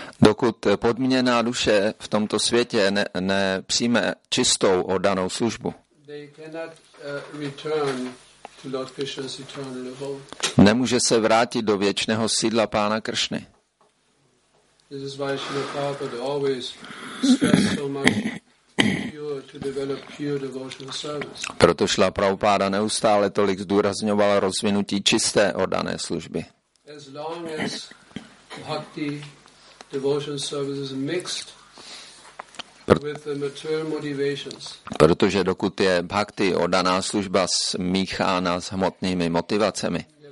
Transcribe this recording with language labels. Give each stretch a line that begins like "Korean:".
Czech: Dokud podmíněná duše v tomto světě nepřijme čistou oddanou službu,
English: they cannot return to Lord Krishna's eternal abode.
Czech: Nemůže se vrátit do věčného sídla pána Kršny.
English: This is why Srila Prabhupada always stressed so much to develop pure devotional service.
Czech: Proto Srila Prabhupada neustále tolik zdůrazňoval rozvinutí čisté oddané služby.
English: As long as bhakti devotion service is mixed with the material motivations.
Czech: Protože dokud je bhakti oddaná služba smíchána s hmotnými motivacemi.